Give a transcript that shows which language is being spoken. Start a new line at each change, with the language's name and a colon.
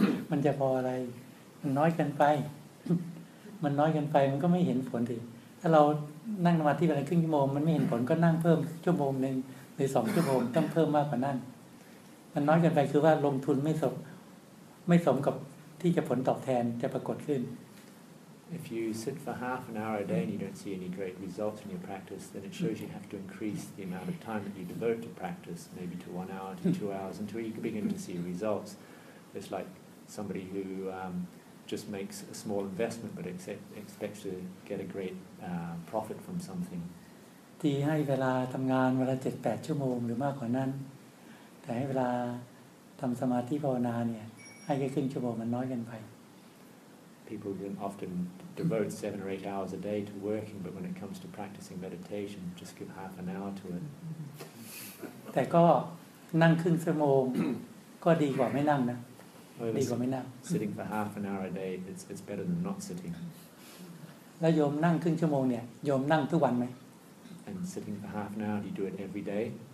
Thai: มันจะพออะไรมันน้อยเกินไปมันน้อยเกินไปมันก็ไม่เห็นผลทีถ้าเรานั่งสมาธิไปครึ่งชั่วโมงมันไม่เห็นผลก็นั่งเพิ่มชั่วโมงนึงหรือ2ชั่วโมงต้องเพิ่มมากกว่านั้นมันน้อยเกินไปคือว่าลงทุนไม่สมกับที่จะผลตอบแทนจะปรากฏขึ้น
English: If you sit for half an hour a day and you don't see any great results in your practice, then it shows you have to increase the amount of time that you devote to practice, maybe to 1 hour, to 2 hours, until you begin to see results. It's like somebody who just makes a small investment but expects to get a great profit from something.
Thai: ที่ให้เวลาทำงานเวลา 7-8 ชั่วโมงหรือมากกว่านั้นแต่ให้เวลาทำสมาธิภาวนาเนี่ยให้แค่ครึ่งชั่วโมงมันน้อยเกินไป
English: People can often devote 7 or 8 hours a day to working, but when it comes to practicing meditation, just give half an hour to it.
Thai: แต่ก็นั่งครึ่งชั่วโมงก็ดีกว่าไม่นั่งนะดีกว่าไม่นั่ง
English: Sitting for half an hour a day, it's better than not sitting.
Thai: แล้วโยมนั่งครึ่งชั่วโมงเนี่ยโยมนั่งทุกวันไหม
English: And sitting for half an hour, do you do it every day?